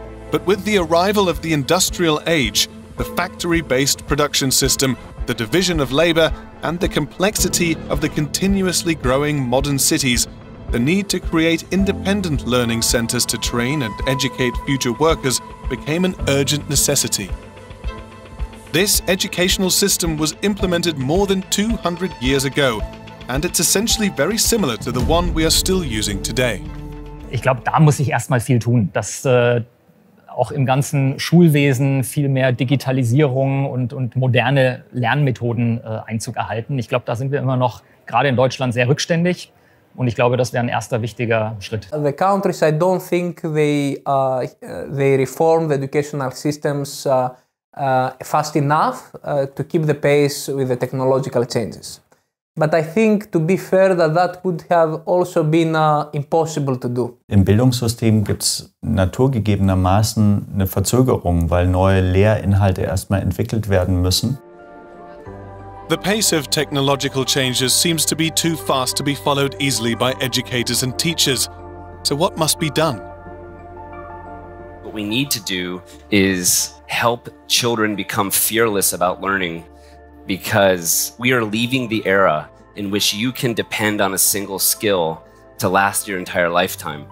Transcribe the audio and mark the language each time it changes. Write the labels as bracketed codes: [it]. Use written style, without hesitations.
[en] But with the arrival of the industrial age, the factory-based production system, the division of labor, and the complexity of the continuously growing modern cities, the need to create independent learning centers to train and educate future workers became an urgent necessity. This educational system was implemented more than 200 years ago, and it's essentially very similar to the one we are still using today. [de] Ich glaube, da muss ich erstmal viel tun, dass auch im ganzen Schulwesen viel mehr Digitalisierung und moderne Lernmethoden Einzug erhalten. Ich glaube, da sind wir immer noch, gerade in Deutschland, sehr rückständig. Und ich glaube, das wäre ein erster wichtiger Schritt. [en] The countries, I don't think they reform the educational systems fast enough to keep the pace with the technological changes. But I think, to be fair, that would have also been impossible to do. [de] Im Bildungssystem gibt's naturgegebenermaßen eine Verzögerung, weil neue Lehrinhalte erstmal entwickelt werden müssen. [en] The pace of technological changes seems to be too fast to be followed easily by educators and teachers. So what must be done? What we need to do is help children become fearless about learning, because we are leaving the era in which you can depend on a single skill to last your entire lifetime.